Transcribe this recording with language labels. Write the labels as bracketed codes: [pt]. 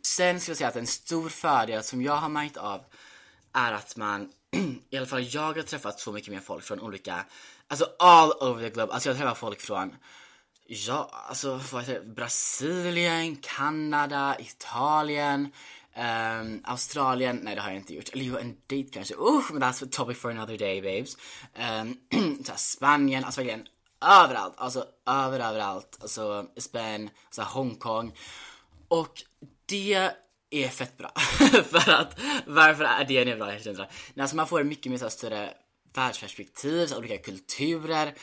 [sv] Sen ska jag säga att en stor fördel som jag har märkt av är att man, i alla fall jag har träffat så mycket mer folk från olika, alltså all over the globe. Alltså jag har träffat folk från, ja, alltså vad heter det, Brasilien, Kanada, Italien, Australien, nej det har jag inte gjort. Eller jo, en date kanske. [en] Men that's a topic for another day, babes. [sv] Spanien, alltså verkligen överallt, alltså överallt. Alltså Spanien, alltså Hongkong. Och det är fett bra. För att, varför är det bra? Jag känner, alltså man får mycket mer så större världsperspektiv, så olika kulturer.